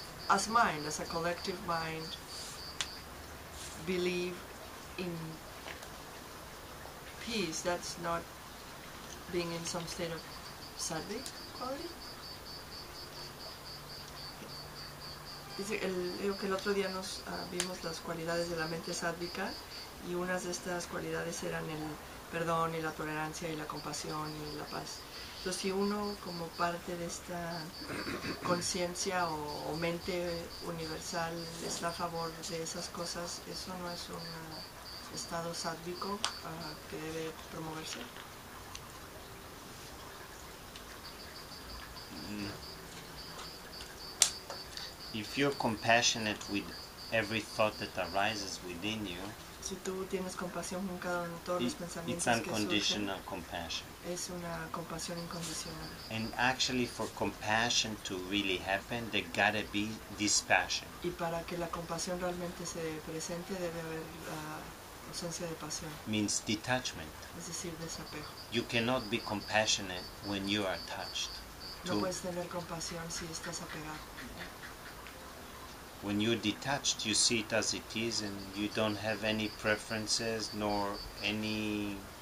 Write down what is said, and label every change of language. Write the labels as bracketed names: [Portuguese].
[English] as mind, as a collective mind, believe in peace, that's not being in some state of sattvic quality. [Spanish] Dice que el otro día nos vimos las cualidades de la mente sádvica y unas de estas cualidades eran el perdón y la tolerancia y la compasión y la paz. Entonces, si uno como parte de esta conciencia o mente universal está a favor de esas cosas, ¿eso no es un estado sádvico que debe promoverse? [English] If you're compassionate with every thought that arises within you, [Spanish] si tú tienes compasión con cada uno de todos los pensamientos, [English] it's unconditional compassion. [Spanish] Es una compasión incondicional. [English] And actually, for compassion to really happen, there gotta be dispassion. [Spanish] Y para que la compasión realmente se presente, debe haber ausencia de pasión. [English] Means detachment. [Spanish] Es decir, desapego. [English] You cannot be compassionate when you are attached. [Spanish] No puedes tener compasión si estás apegado. [English] When you're detached, you see it as it is, and you don't have any preferences nor any.